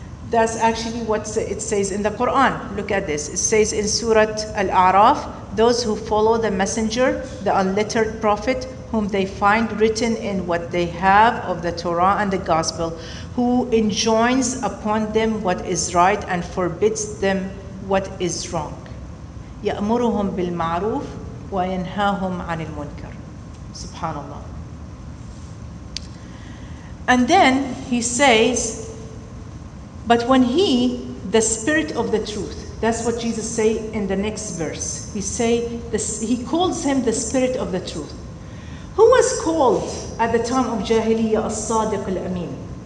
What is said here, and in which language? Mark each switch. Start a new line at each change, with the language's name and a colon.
English: That's actually what it says in the Quran. Look at this. It says in Surah Al-A'raf, those who follow the messenger, the unlettered prophet, whom they find written in what they have of the Torah and the gospel, who enjoins upon them what is right and forbids them what is wrong.
Arabic: يَأْمُرُهُمْ بِالْمَعْرُوفِ وَيَنْهَاهُمْ عَنِ الْمُنْكَرِ Subhanallah.
English: And then he says, but when he, the spirit of the truth, that's what Jesus say in the next verse. He say, he calls him the spirit of the truth. Who was called at the time of Jahiliyyah as-sadiq al-amin?